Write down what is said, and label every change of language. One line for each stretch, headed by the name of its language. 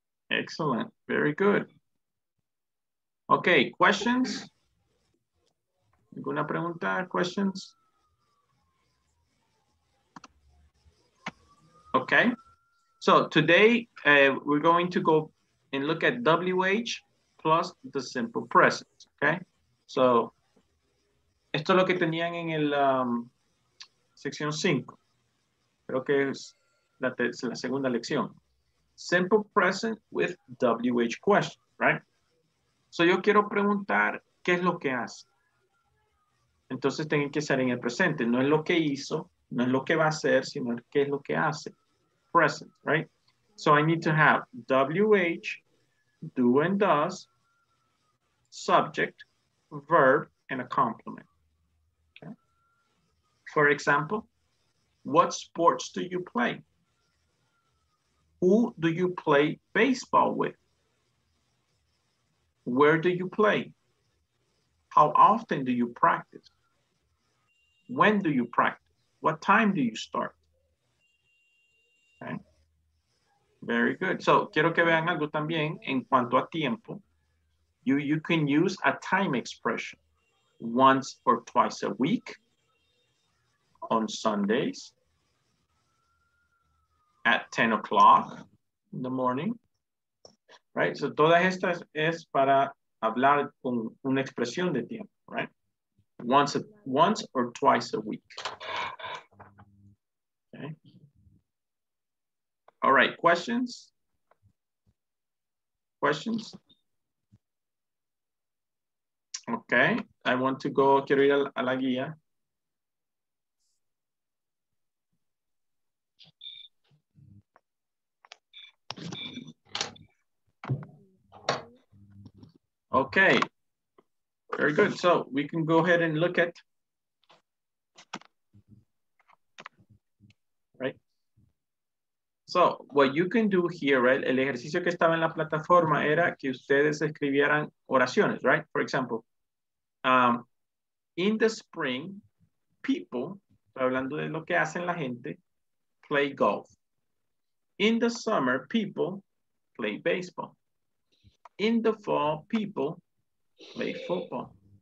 English: Excellent. Very good. Okay, questions?
Spanish: ¿Alguna pregunta?
English: Questions? Okay. So today we're going to go and look at WH plus the simple present. Okay.
Spanish: So esto es lo que tenían en el sección 5. Creo que es la segunda lección.
English: Simple present with WH question, right?
Spanish: So yo quiero preguntar qué es lo que hace. Entonces tienen que ser en el presente. No es lo que hizo, no es lo que va a hacer, sino qué es lo que hace.
English: Present, right? So I need to have WH, do and does, subject, verb, and a complement. For example, what sports do you play? Who do you play baseball with? Where do you play? How often do you practice? When do you practice? What time do you start? Okay. Very good.
Spanish: So, quiero que vean algo también en cuanto a tiempo.
English: You can use a time expression once or twice a week. On Sundays at 10 o'clock in the morning, right?
Spanish: So todas estas es para hablar con una expresión de tiempo, right?
English: Once or twice a week. Okay. All right, questions? Questions? Okay, I want to go,
Spanish: quiero ir a la guía.
English: Okay, very good. So we can go ahead and look at, right? So what you can do here, right?
Spanish: El ejercicio que estaba en la plataforma era que ustedes escribieran oraciones, right?
English: For example, in the spring, people,
Spanish: hablando de lo que hacen la gente,
English: play golf. In the summer, people play baseball. In the fall, people play football.